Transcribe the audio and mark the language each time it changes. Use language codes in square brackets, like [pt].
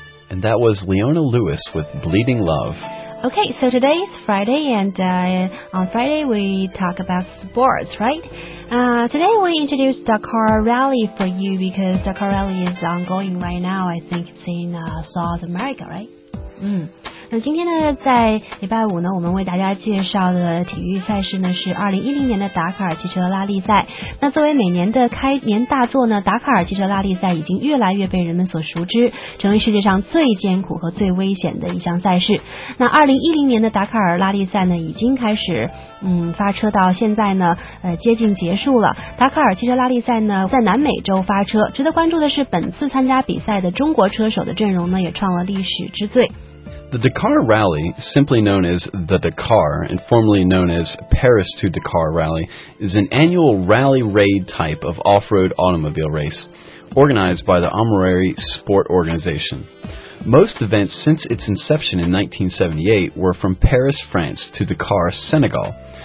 [en] And that was Leona Lewis with Bleeding Love. Okay, so today is Friday, and on Friday we talk about sports, right? Today we introduce Dakar Rally for you because Dakar Rally is ongoing right now. I think it's in South America, right? [zh] 那今天呢，在礼拜五呢，我们为大家介绍的体育赛事呢是2010年的达喀尔汽车拉力赛。那作为每年的开年大作呢，达喀尔汽车拉力赛已经越来越被人们所熟知，成为世界上最艰苦和最危险的一项赛事。那2010年的达喀尔拉力赛呢，已经开始发车，到现在呢接近结束了。达喀尔汽车拉力赛呢在南美洲发车。值得关注的是，本次参加比赛的中国车手的阵容呢也创了历史之最。 [en] The Dakar Rally, simply known as the Dakar, and formerly known as Paris to Dakar Rally, is an annual rally raid type of off-road automobile race, organized by the Amarelli Sport Organization. Most events since its inception in 1978 were from Paris, France to Dakar, Senegal.